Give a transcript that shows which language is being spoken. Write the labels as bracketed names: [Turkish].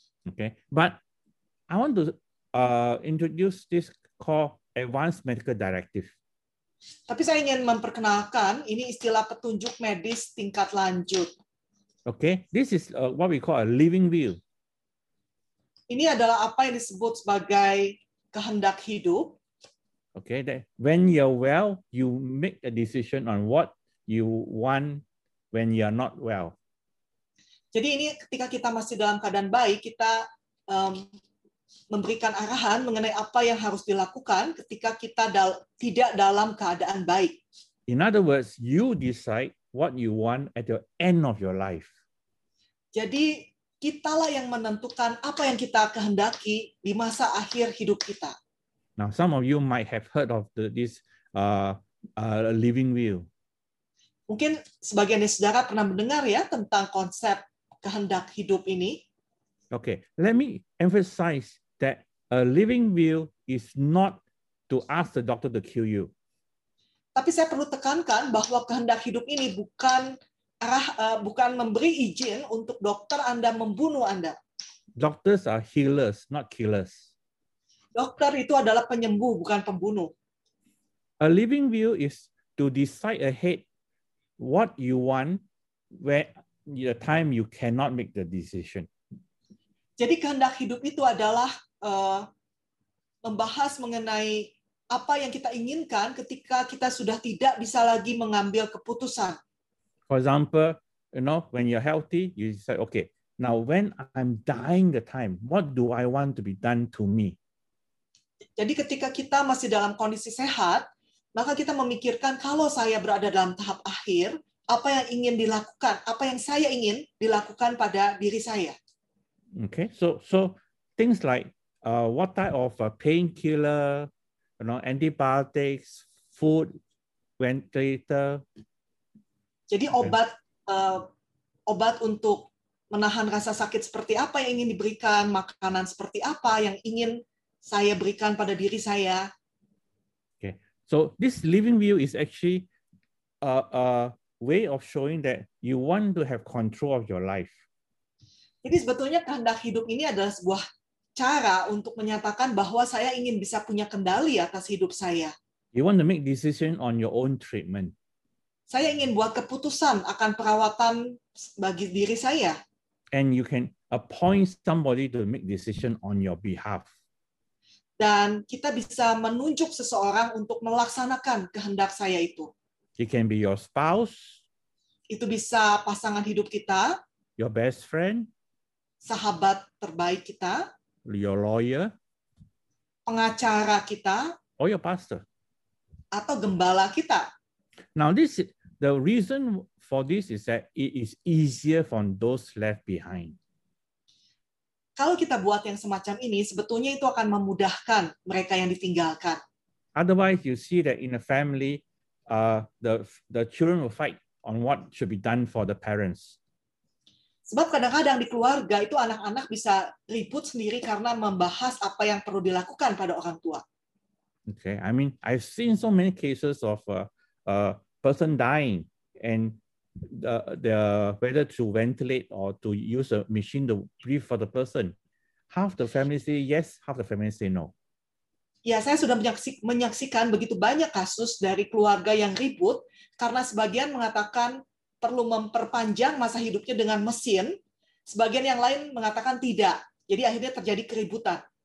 [English] Okay, but I want to introduce this called advanced medical directive. [Indonesian] Tapi saya ingin memperkenalkan ini istilah petunjuk medis tingkat lanjut. [English] Okay, this is what we call a living will. [Indonesian] Ini adalah apa yang disebut sebagai kehendak hidup. [English] Okay, that when you're well, you make a decision on what you want when you're not well. [Indonesian] Jadi ini ketika kita masih dalam keadaan baik, kita memberikan arahan mengenai apa yang harus dilakukan ketika kita tidak dalam keadaan baik. [English] In other words, you decide what you want at the end of your life. [Indonesian] Jadi kitalah yang menentukan apa yang kita kehendaki di masa akhir hidup kita. [English] Now, some of you might have heard of this living will. [Indonesian] Mungkin sebagian dari saudara pernah mendengar ya tentang konsep kehendak hidup ini. [English] Okay, let me emphasize that a living will is not to ask the doctor to kill you. [Indonesian] Tapi saya perlu tekankan bahwa kehendak hidup ini bukan memberi izin untuk dokter Anda membunuh Anda. [English] Doctors are healers, not killers. [Indonesian] Dokter itu adalah penyembuh, bukan pembunuh. [English] A living will is to decide ahead what you want when the time you cannot make the decision. [Indonesian] Jadi kehendak hidup itu adalah membahas mengenai apa yang kita inginkan ketika kita sudah tidak bisa lagi mengambil keputusan. [English] For example, you know, when you're healthy, you say, okay, now when I'm dying the time, what do I want to be done to me? [Indonesian] Jadi ketika kita masih dalam kondisi sehat, maka kita memikirkan kalau saya berada dalam tahap akhir, apa yang ingin dilakukan, apa yang saya ingin dilakukan pada diri saya. [English] Okay, so things like what type of painkiller, you know, antibiotics, food, ventilator. [Indonesian] Jadi obat obat untuk menahan rasa sakit seperti apa yang ingin diberikan, makanan seperti apa yang ingin saya berikan pada diri saya. [English] Okay, so this living view is actually a way of showing that you want to have control of your life. [Indonesian] Jadi sebetulnya kehendak hidup ini adalah sebuah cara untuk menyatakan bahwa saya ingin bisa punya kendali atas hidup saya. [English] You want to make decision on your own treatment. [Indonesian] Saya ingin buat keputusan akan perawatan bagi diri saya. [English] And you can appoint somebody to make decision on your behalf. [Indonesian] Dan kita bisa menunjuk seseorang untuk melaksanakan kehendak saya itu. [English] It can be your spouse. [Indonesian] Itu bisa pasangan hidup kita. [English] Your best friend. [Indonesian] Sahabat terbaik kita. [English] Your lawyer. [Indonesian] Pengacara kita. [English] Or your pastor. [Indonesian] Atau gembala kita. [English] Now this, the reason for this is that it is easier for those left behind. [Indonesian] Kalau kita buat yang semacam ini, sebetulnya itu akan memudahkan mereka yang ditinggalkan. [English] Otherwise, you see that in a family, the children will fight on what should be done for the parents. [Indonesian] Sebab kadang-kadang di keluarga itu anak-anak bisa ribut sendiri karena membahas apa yang perlu dilakukan pada orang tua. [English] Okay, I mean, I've seen so many cases of a person dying and the whether to ventilate or to use a machine to breathe for the person. Half the family say yes, half the family say no. [Indonesian] Ya, saya sudah menyaksikan begitu banyak kasus dari keluarga yang ribut karena sebagian mengatakan perlu memperpanjang masa hidupnya dengan mesin, sebagian yang lain mengatakan tidak. Jadi akhirnya terjadi keributan.